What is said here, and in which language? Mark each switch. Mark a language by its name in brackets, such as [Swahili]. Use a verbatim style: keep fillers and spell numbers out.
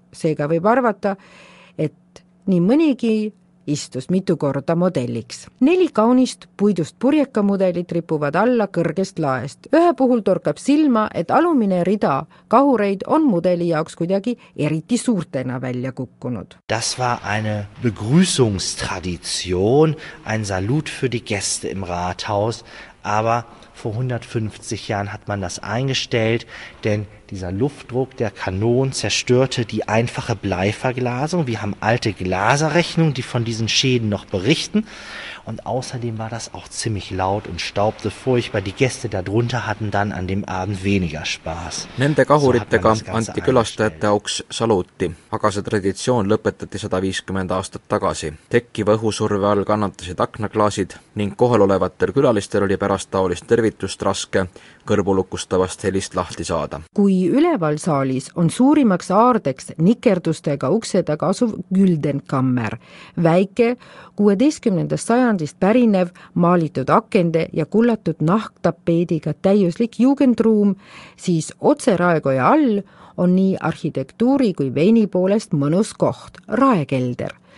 [Estonian] Seega võib arvata, et nii mõnigi istus mitu korda modelliks. Neli kaunist puidust purjekamudelit ripuvad alla kõrgest laest. Ühe puhul torkab silma, et alumine rida kahureid on mudeli jaoks kuidagi eriti suurtena välja kukkunud. [German] Das war eine Begrüßungstradition, ein Salut für die Gäste im Rathaus, aber vor hundertfünfzig Jahren hat man das eingestellt, denn dieser Luftdruck der Kanonen zerstörte die einfache Bleiverglasung. Wir haben alte Glaserrechnungen, die von diesen Schäden noch berichten. Und außerdem war das auch ziemlich laut und staubte furchtbar. Die Gäste darunter hatten dann an dem Abend weniger Spaß. [Estonian] Nende kahuritega anti külastajate auks saluti, aga see traditsioon lõpetati sada viiskümmend aastat tagasi. Tekkiva õhusurve all kannatasid aknaklaasid ning kohalolevatel külalistel oli pärast taolist tervitust raske kõrvulukustavast helist lahti saada. Kui üleval saalis on suurimaks aardeks nikerdustega ukse taga asuv Güldenkammer, väike kuueteistkümnendast sajandist pärinev, maalitud akende ja kullatud nahktapeediga täiuslik jugendruum, siis otse raekoja all on nii arhitektuuri kui veini poolest mõnus koht, raekelder.